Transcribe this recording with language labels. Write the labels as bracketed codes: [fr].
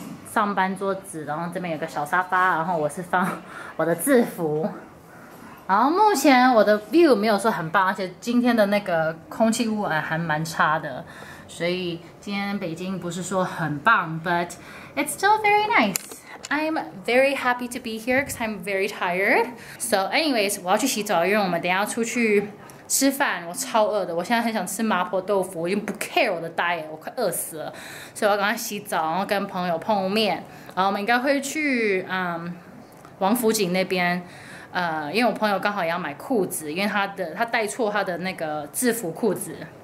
[zh] 上班桌子，然后这边有个小沙发，然后我是放我的制服。然后目前我的 view 没有说很棒，而且今天的那个空气污染还蛮差的，所以今天北京不是说很棒， but it's still very nice. [en] I'm very happy to be here because I'm very tired. [zh] So anyways, 我要去洗澡，因为我们等一下出去吃饭，我超饿的，我现在很想吃麻婆豆腐，我已经不 care 我的 diet， 我快饿死了，所以我要赶快洗澡，然后跟朋友碰面，然后我们应该会去王府井那边，因为我朋友刚好也要买裤子，因为他带错他的那个制服裤子，